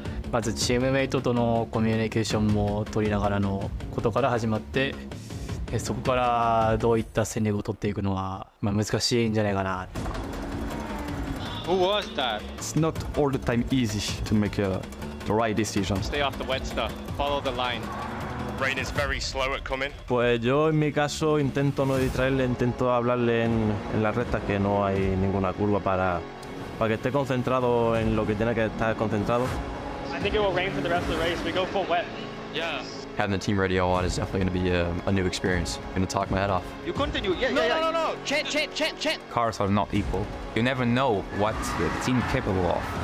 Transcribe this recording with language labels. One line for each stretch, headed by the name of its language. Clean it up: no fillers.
Japanese: まずチームメイトとのコミュニケーションも取りながらのことから始まって、そこからどういった戦略を取っていくのは、まあ、難しいんじゃないかな。
English: Who was that? It's not all the time easy to make the right decision. Stay off the wet stuff. Follow the line. Rain is very slow at coming.
Spanish: Pues yo en mi caso intento no distraerle, intento hablarle en la recta que no hay ninguna curva para que esté concentrado en lo que tiene que estar concentrado.
English: I think it will rain for the rest of the race. We go full wet. Yeah. Having the team radio on is definitely going to be a new experience. I'm going to talk my head off. You continue. Yeah, no, yeah, no, No. Chat. Cars are not equal. You never know what the team capable of.